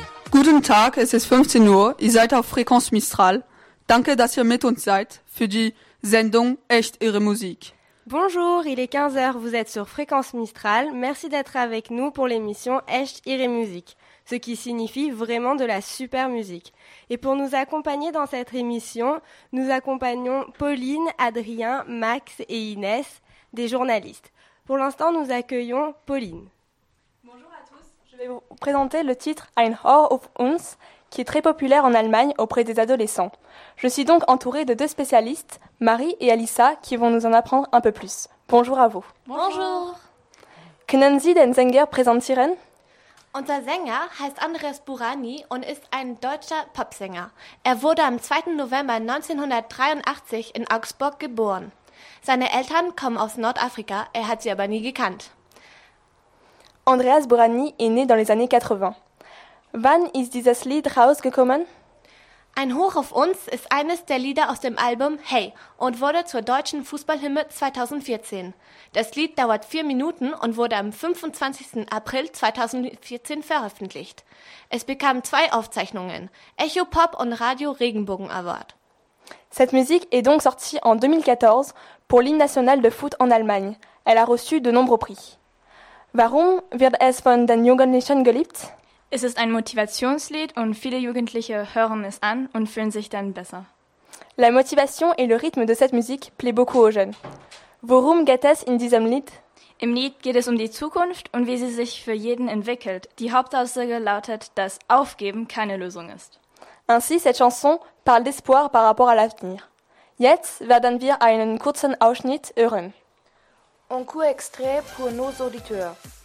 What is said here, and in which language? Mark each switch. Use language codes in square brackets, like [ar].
[de] Guten Tag, es ist 15 Uhr, ihr seid auf Fréquence Mistral. Danke, dass ihr mit uns seid für die Sendung Echt Ihre Musik. [fr] Bonjour, il est 15h, vous êtes sur Fréquence Mistral. Merci d'être avec nous pour l'émission Echt Ihre Musik, ce qui signifie vraiment de la super musique. Et pour nous accompagner dans cette émission, nous accompagnons Pauline, Adrien, Max et Inès, des journalistes. Pour l'instant, nous accueillons Pauline. Je vais vous présenter le titre « Ein Ohr auf uns » qui est très populaire en Allemagne auprès des adolescents. Je suis donc entourée de deux spécialistes, Marie et Alissa, qui vont nous en apprendre un peu plus. Bonjour à vous. Bonjour. [de] Können Sie den Sänger präsentieren? Unser Sänger heißt Andreas Burani und ist ein deutscher Popsänger. Er wurde am 2. November 1983 in Augsburg geboren. Seine Eltern kommen aus Nordafrika, er hat sie aber nie gekannt. [fr] Andreas Burani est né dans les années 80. [de] Wann ist dieses Lied rausgekommen? Ein Hoch auf uns ist eines der Lieder aus dem Album Hey und wurde zur deutschen Fußballhymne 2014. Das Lied dauert 4 Minuten und wurde am 25. April 2014 veröffentlicht. Es bekam 2 Aufzeichnungen, Echo Pop und Radio Regenbogen Award. [fr] Cette musique est donc sortie en 2014 pour l'hymne national de foot en Allemagne. Elle a reçu de nombreux prix. [de] Warum wird es von den Jugendlichen geliebt? Es ist ein Motivationslied und viele Jugendliche hören es an und fühlen sich dann besser. [fr] La motivation et le rythme de cette musique plaît beaucoup aux jeunes. [de] Worum geht es in diesem Lied? Im Lied geht es um die Zukunft und wie sie sich für jeden entwickelt. Die Hauptaussage lautet, dass Aufgeben keine Lösung ist. [fr] Ainsi, cette chanson parle d'espoir par rapport à l'avenir. [de] Jetzt werden wir einen kurzen Ausschnitt hören. [fr] Un court extrait pour nos auditeurs.